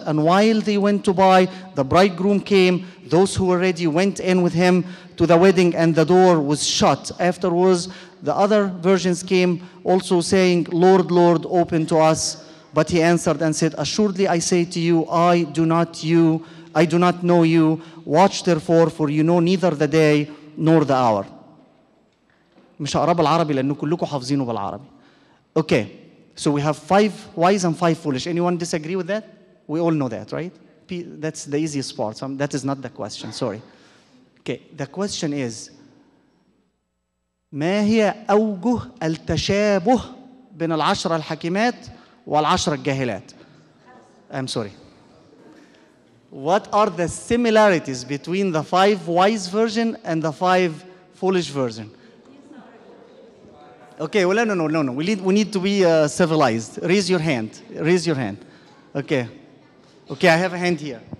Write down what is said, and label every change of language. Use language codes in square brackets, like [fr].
[en] And while they went to buy, the bridegroom came. Those who were ready went in with him to the wedding, and the door was shut. Afterwards, the other virgins came also saying, Lord, Lord, open to us. But he answered and said, Assuredly, I say to you, I do not know you. Watch therefore, for you know neither the day nor the hour. [ar] مش هقرا بالعربي لأنه كلكم حافظينه بالعربي. [en] Okay. So we have 5 wise and 5 foolish. Anyone disagree with that? We all know that, right? That's the easiest part. That is not the question, sorry. Okay, the question is, [ar] ما هي أوجه التشابه بين العشرة الحكيمات والعشرة الجاهلات? [en] I'm sorry. What are the similarities between the 5 wise virgin and the 5 foolish virgin? Okay, well, no. We need to be civilized. Raise your hand. Okay, I have a hand here.